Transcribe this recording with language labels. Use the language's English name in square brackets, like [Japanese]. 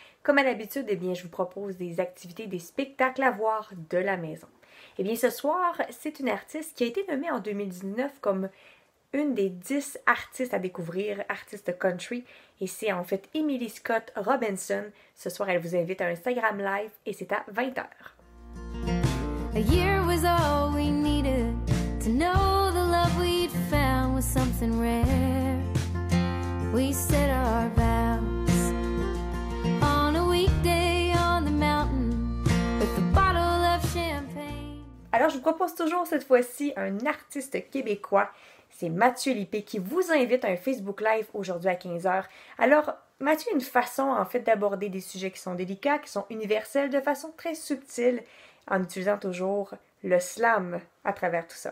[French] Comme à l'habitude, eh bien, je vous propose des activités, des spectacles à voir de la maison. Eh bien, ce soir, c'est une artiste qui a été nommée en 2019 comme une des 10 artistes à découvrir, artiste country. Et c'est en fait Emily Scott Robinson. Ce soir, elle vous invite à Instagram Live et c'est à 20h. [English] A year was all we needed to know the love we'd found was something rare. We said our vows on a weekday on the mountain with a bottle of champagne. [French] Alors, je vous propose toujours cette fois-ci un artiste québécois. C'est Mathieu Lippé qui vous invite à un Facebook Live aujourd'hui à 15h. Alors, Mathieu a une façon en fait d'aborder des sujets qui sont délicats, qui sont universels, de façon très subtile, en utilisant toujours le slam à travers tout ça.